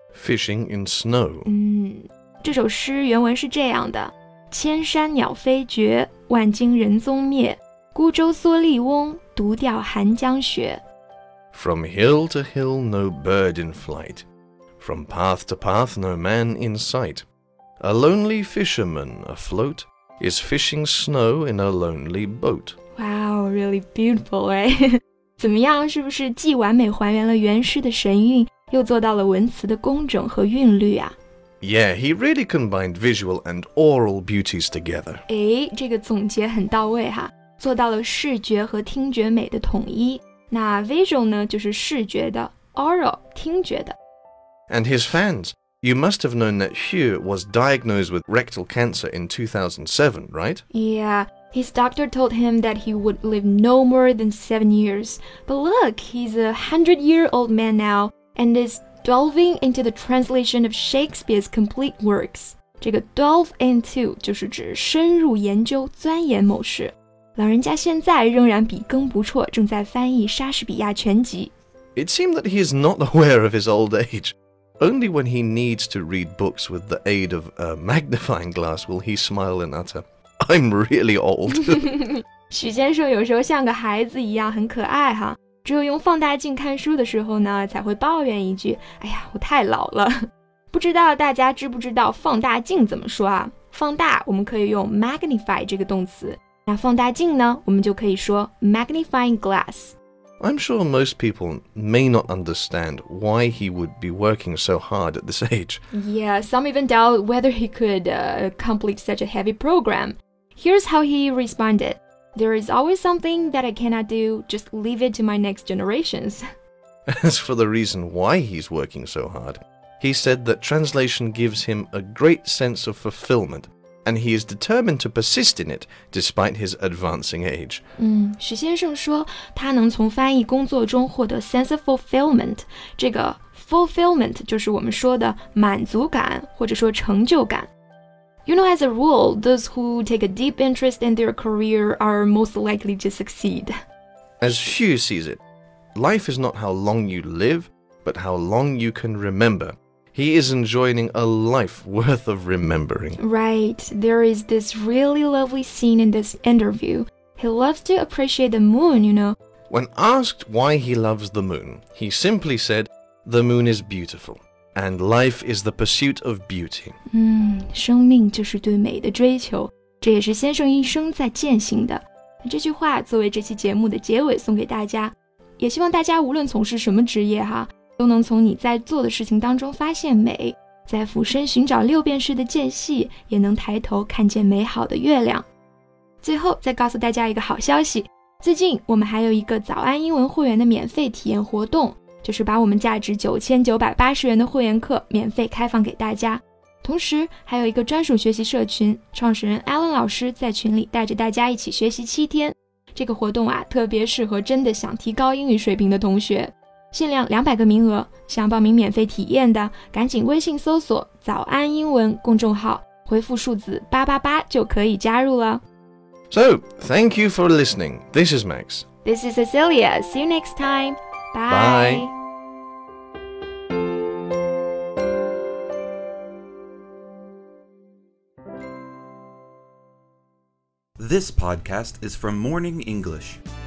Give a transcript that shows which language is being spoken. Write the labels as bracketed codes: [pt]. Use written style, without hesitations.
[en] Fishing in Snow、 [zh] 这首诗原文是这样的千山鸟飞绝万径人踪灭孤舟蓑笠翁独钓寒江雪 [en] From hill to hill no bird in flight From path to path no man in sight A lonely fisherman afloat Is fishing snow in a lonely boat Wow, really beautiful, right? [zh] 怎么样是不是既完美还原了原诗的神韵又做到了文词的工整和韵律啊 [en] Yeah, he really combined visual and oral beauties together. [zh] 诶,这个总结很到位哈,做到了视觉和听觉美的统一。那 visual 呢,就是视觉的 ,oral, 听觉的。 [en] And his fans, you must have known that Hugh was diagnosed with rectal cancer in 2007, right? Yeah, his doctor told him that he would live no more than 7 years. But look, he's a 100-year-old man now. And is delving into the translation of Shakespeare's complete works. [zh] 这个 delve into 就是指深入研究、钻研某事。老人家现在仍然笔耕不辍，正在翻译莎士比亚全集。 [en] It seems that he is not aware of his old age. Only when he needs to read books with the aid of a magnifying glass will he smile and utter, I'm really old. [zh] 许先生有时候像个孩子一样，很可爱哈。只有用放大镜看书的时候呢才会抱怨一句哎呀我太老了不知道大家知不知道放大镜怎么说啊放大我们可以用 magnify 这个动词那放大镜呢我们就可以说 magnifying glass [en] I'm sure most people may not understand why he would be working so hard at this age Yeah, some even doubt whether he could complete such a heavy program Here's how he respondedThere is always something that I cannot do, just leave it to my next generations. As for the reason why he's working so hard, he said that translation gives him a great sense of fulfillment, and he is determined to persist in it, despite his advancing age. [zh] 许先生说他能从翻译工作中获得 [en] sense of fulfillment, [zh] 这个 fulfillment 就是我们说的满足感或者说成就感。 [en] You know, as a rule, those who take a deep interest in their career are most likely to succeed. As Hugh sees it, life is not how long you live, but how long you can remember. He is enjoying a life worth of remembering. Right. There is this really lovely scene in this interview. He loves to appreciate the moon, you know. When asked why he loves the moon, he simply said, "The moon is beautiful." And life is the pursuit of beauty. [zh] 生命就是对美的追求，这也是先生一生在践行的。这句话作为这期节目的结尾送给大家，也希望大家无论从事什么职业哈，都能从你在做的事情当中发现美，在俯身寻找六便士的间隙，也能抬头看见美好的月亮。最后再告诉大家一个好消息，最近我们还有一个早安英文会员的免费体验活动。就是把我们价值9980元的会员课免费开放给大家，同时还有一个专属学习社群，创始人 Alan 老师在群里带着大家一起学习7天。这个活动啊，特别适合真的想提高英语水平的同学，限量200个名额。想报名免费体验的，赶紧微信搜索"早安英文"公众号，回复数字888就可以加入了。 [en] So, thank you for listening. This is Max. This is Cecilia. See you next time. Bye. This podcast is from Morning English.